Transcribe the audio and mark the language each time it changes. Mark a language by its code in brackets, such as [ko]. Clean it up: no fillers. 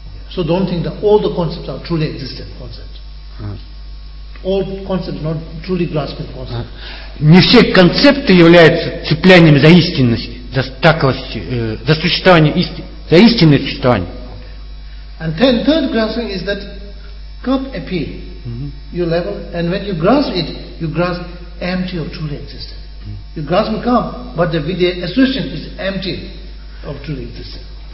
[en] So don't think that all the concepts are truly existent concepts. All concepts not truly grasping concepts. [ru] Не все концепты являются цеплянием за истинность, за таковость, за существование истины. За истинное существование. [en] And then third grasping is that cup appear. You level and when you grasp it, you grasp empty of truly existent. You grasp a cup, but the with the assertion is empty of truly existent.